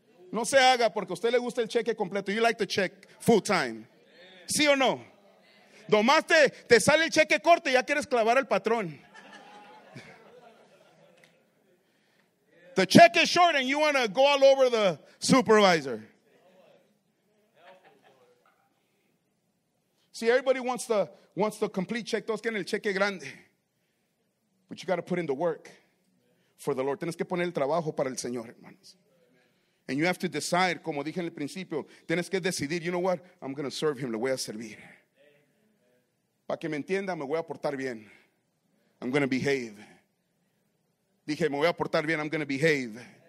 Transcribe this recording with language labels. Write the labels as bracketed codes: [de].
[es] No se haga porque a usted le gusta el cheque completo. [en] You like the check full time. [es] ¿Sí o no? Nomás te sale el cheque corto y ya quieres clavar al patrón. [en] The check is short and you want to go all over the supervisor. See, everybody wants the complete check. [es] Todos quieren el cheque grande. [en] But you got to put in the work for the Lord. [es] Tienes que poner el trabajo para el Señor, hermanos. [en] And you have to decide, [es] como dije en el principio, tienes que decidir, [en] you know what, I'm going to serve him, [es] le voy a servir. Para que me entienda, me voy a portar bien. [en] I'm going to behave. [es] Dije, me voy a portar bien, [en] I'm going to behave.